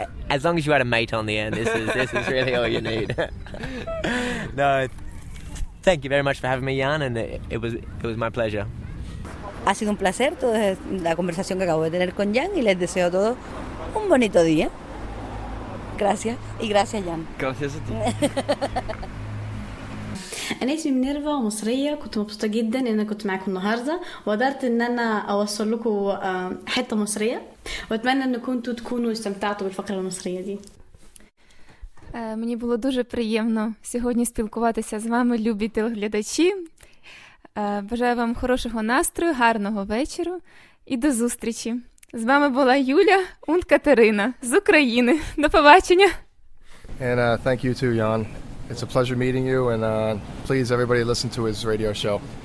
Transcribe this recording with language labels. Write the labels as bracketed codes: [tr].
[en] As long as you had a mate on the end, this is really all you need. No, thank you very much for having me, Jan, and it was my pleasure. [es] Ha sido un placer toda la conversación que acabo de tener con Jan y les deseo a todos un bonito día. Gracias y gracias, Jan. Gracias a ti. [ar] انا اسمي منيرفا ومصريه، كنت مبسوطه جدا ان انا كنت معاكم النهارده وقدرت ان انا اوصل لكم حته مصريه، واتمنى انكم تكونوا استمتعتوا بالفقره المصريه دي. [uk] Мені було дуже приємно сьогодні спілкуватися з вами, любі телеглядачі. Бажаю вам хорошого настрою, гарного вечора і до зустрічі. З вами була Юля und Катерина з України. До побачення. [en] And thank you too, Jan. It's a pleasure meeting you and please everybody listen to his radio show.